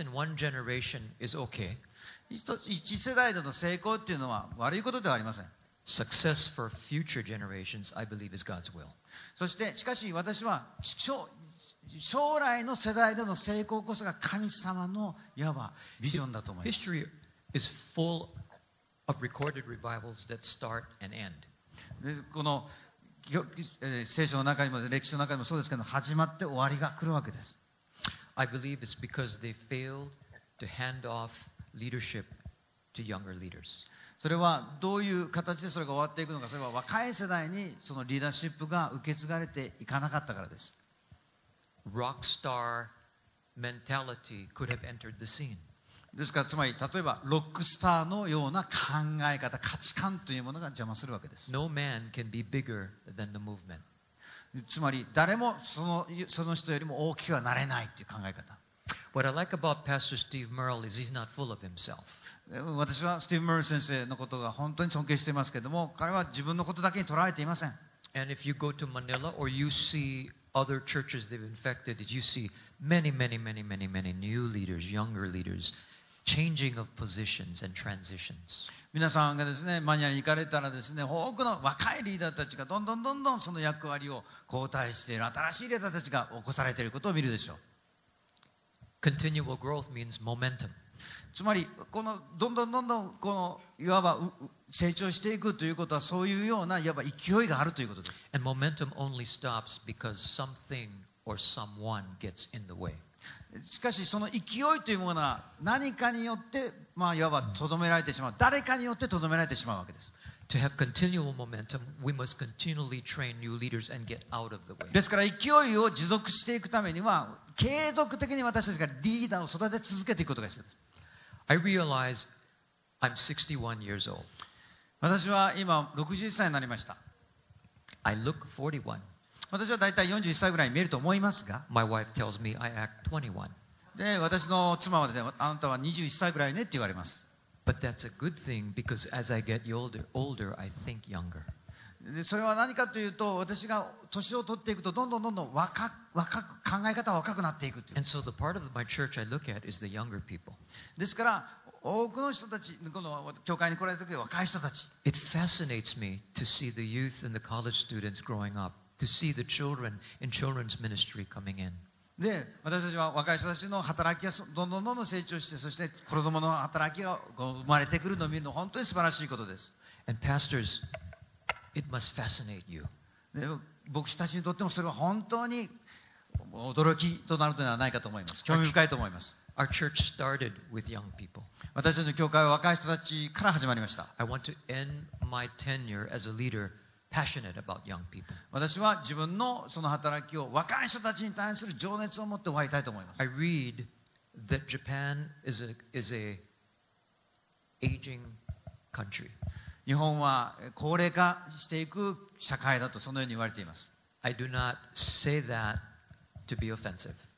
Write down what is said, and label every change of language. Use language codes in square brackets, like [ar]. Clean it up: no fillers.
[en] Success in one generation is okay. [ja] 一世代での成功っていうのは悪いことではありません。 [en] Success for future generations, I believe, is God's will. [ja] そして、しかし私は将来の世代での成功こそが神様のいわばビジョンだと思います。 [en] History is full of recorded revivals that start and end. [ja] この聖書の中にも歴史の中にもそうですけど、始まって終わりが来るわけです。 [en] I believe it's because they failed to hand off leadership to younger leaders. [ja] それはどういう形でそれが終わっていくのか、それは若い世代にそのリーダーシップが受け継がれていかなかったからです。 [en] Rock star mentality could have entered the scene [ja] ですから、つまり例えばロックスターのような考え方、価値観というものが邪魔するわけです。 [en] No man can be bigger than the movement. [ja] つまり誰もその人よりも大きくはなれないという考え方。 [en] What I like about Pastor Steve Merle is he's not full of himself. [ja] 私はスティーブ・メール先生のことが本当に尊敬していますけれども、彼は自分のことだけに捉えていません。 [en] And if you go to Manila or you see other churches they've infected, you see many, many, many, many, many new leaders, younger leaders. changing of positions and transitions. [ja] 皆さんがですね、マニアに行かれたらですね、多くの若いリーダーたちがどんどんどんどんその役割を交代している新しいリーダーたちが起こされていることを見るでしょう。 [en] Continual growth means momentum. [ja] つまり、このどんどんどんどんこのいわば成長していくということはそういうようないわば勢いがあるということです。 [en] And momentum only stops because something or someone gets in the way. [ja] しかしその勢いというものは何かによって、まあ、いわばとどめられてしまう、誰かによってとどめられてしまうわけです。 [en] To have continual momentum, we must continually train new leaders and get out of the way. [ja] ですから勢いを持続していくためには、継続的に私たちがリーダーを育て続けていくことが必要です。 [en] I realize I'm 61 years old. [ja] 私は今61歳になりました。 [en] I look 41. [ja] 私はだいたい41歳ぐらいに見えると思いますが、 [en] My wife tells me I act 21. [ja] で私の妻はですね、あなたは21歳ぐらいねって言われます。 [en] But that's a good thing because as I get older, I think younger. [ja] でそれは何かというと、私が年を取っていくとどんどんどんどん若く考え方は若くなっていくっていう。 [en] And so the part of my church I look at is the younger people. [ja] ですから多くの人たち、この教会に来られた時は若い人たち。 [en] It fascinates me to see the youth and the college students growing up. To see the children in children's ministry coming in. [ja] で、私たちは若い人たちの働きがどんどんどんどん成長して、そして子供の働きが生まれてくるのを見るのは本当に素晴らしいことです。 [en] And pastors, it must fascinate you. [ja] で、牧師たちにとってもそれは本当に驚きとなるのではないかと思います。興味深いと思います。 [en] Our church started with young people. [ja] 私たちの教会は若い人たちから始まりました。 [en] I want to end my tenure as a leader. Passionate about young people. [ja] 私は自分のその働きを若い人たちに対する情熱を持って終わりたいと思います。 [en] I read that Japan is a aging country. [ja] 日本は高齢化していく社会だとそのように言われています。 [en] I do not say that to be offensive.